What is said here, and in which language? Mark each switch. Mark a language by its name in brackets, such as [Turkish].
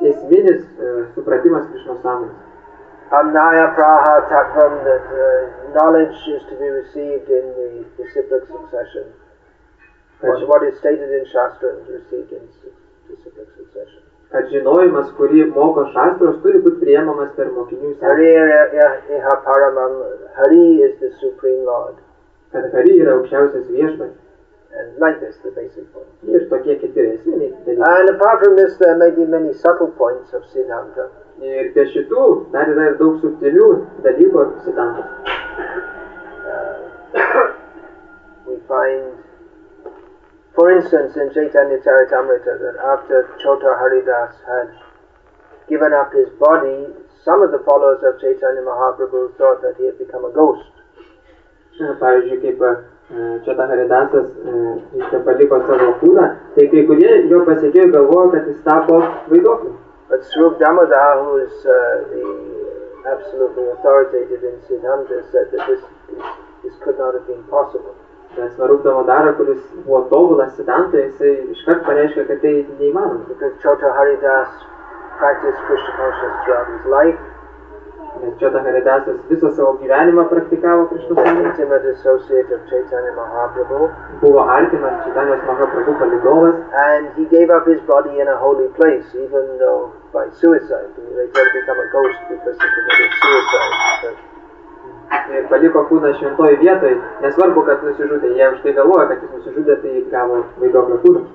[Lithuanian] Esminis supratimas Krishna sąmonės. [Sanskrit] Amnaya praha takvam, [English] that knowledge is to be received in the disciplic succession. What is stated in Shastra is received in disciplic succession. [Lithuanian] Kad žinojimas, kurį moko šastros, turi būti priemamas per mokinių seką. [Sanskrit] Hari iha paramam, [English] Hari is the supreme lord. [Lithuanian] Kad Hari yra aukščiausias viešpats. [English] And like this, the basic point. [Lithuanian] Ir tokie kiti esminiai dalykai. [English] And apart from this, there may be many subtle points of Siddhanta. [Lithuanian] Ir be šitų, dar yra ir daug subtilių dalykų Siddhanta. [English] We find, for instance, in Chaitanya Charitamrita, that after Chota Haridas had given up his body, some of the followers of Chaitanya Mahaprabhu thought that he had become a ghost. [Lithuanian] Pavyzdžiui, kaip Chota Haridasas paliko savo kūną, tai kai kurie jo pasiekėjo galvojo, kad jis tapo vaiduokliu. [English] But Srup Damodar, who is the absolutely authoritative in Siddhanta, said that this could not have been possible. [Lithuanian] Nes Narukta Madara, kuris buvo tobulas Siddhanta, jisai iškart pareiškia, kad tai neįmanoma. [English] Because Chota Haridas practiced Krishna consciousness throughout his life. [Lithuanian] Nes Chota Haridasas visą savo gyvenimą praktikavo [English] Krishna consciousness. Intimate associate of Chaitanya Mahaprabhu. [Lithuanian] Buvo artimas Chaitanya Mahaprabhu palydovas. [English] And he gave up his body in a holy place, even though by suicide. He later became a ghost because he committed suicide. [Lithuanian] Ir paliko kūną šventoje vietoje, nesvarbu, kad nusižudė, jie už tai galvoja, kad jis nusižudė, tai gavo vaiduoklio kūną.